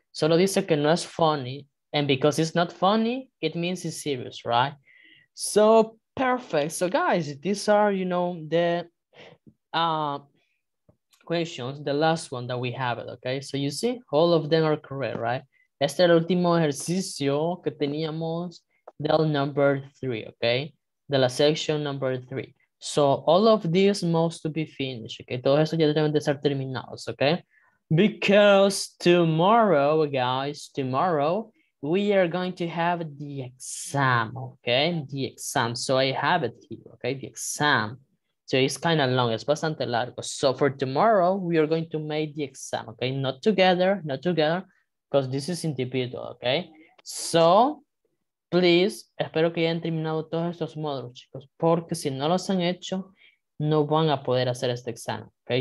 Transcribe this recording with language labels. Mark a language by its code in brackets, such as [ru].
[es] Solo dice que no es funny. [en] And because it's not funny, it means it's serious, right? So, perfect. So, guys, these are, you know, the questions, the last one that we have, okay? So, you see, all of them are correct, right? [es] Este es el último ejercicio que teníamos del number 3, okay? De la section number 3. [en] So, all of these must be finished, okay? [es] Todos estos ya deben de ser terminados, okay? [en] Because tomorrow, guys, tomorrow, we are going to have the exam, okay? The exam. So I have it here, okay? The exam. So it's kind of long. It's [es] bastante largo. [en] So for tomorrow, we are going to make the exam, okay? Not together, not together, because this is individual, okay? [es] So please, espero que hayan terminado todos estos módulos, chicos, porque si no los han hecho, no van a poder hacer este exam, okay?